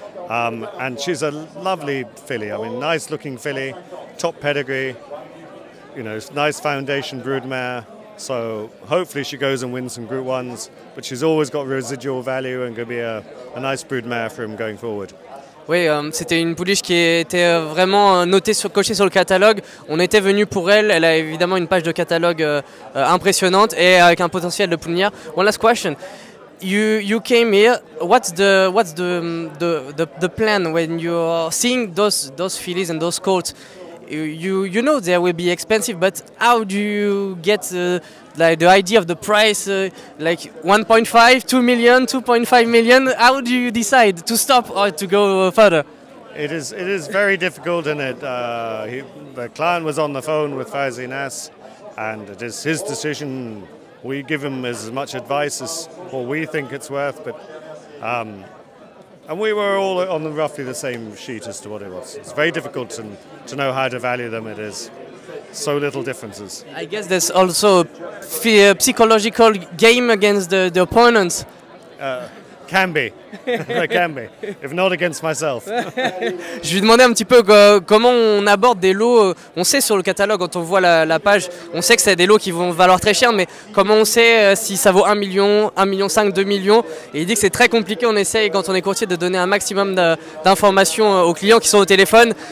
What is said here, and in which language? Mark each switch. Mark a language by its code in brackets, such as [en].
[en] And she's a lovely filly. I mean, nice looking filly, top pedigree, you know, nice foundation broodmare. So hopefully she goes and wins some Group 1s, but she's always got residual value and going to be a nice broodmare for him going forward. [fr] Oui, c'était une pouliche qui était vraiment notée sur cochée sur le catalogue. On était venu pour elle. Elle a évidemment une page de catalogue impressionnante et avec un potentiel de poulinière. [en] One last question. You came here. What's the plan when you're seeing those fillies and those colts? You know they will be expensive, but how do you get like the idea of the price, like 1.5, 2 million, 2.5 million? How do you decide to stop or to go further? It is very difficult, isn't it? The client was on the phone with Fazi Nas, and it is his decision. We give him as much advice as what we think it's worth, but... And we were all on roughly the same sheet as to what it was. It's very difficult to know how to value them. It is so little differences. I guess there's also a psychological game against the opponents. Can be. Can be. If not against myself. [fr] Je lui demandais un petit peu comment on aborde des lots. On sait sur le catalogue, quand on voit la page, on sait que c'est des lots qui vont valoir très cher, mais comment on sait si ça vaut 1 million, 1 million 5, 2 millions? Et il dit que c'est très compliqué. On essaye, quand on est courtier, de donner un maximum d'informations aux clients qui sont au téléphone.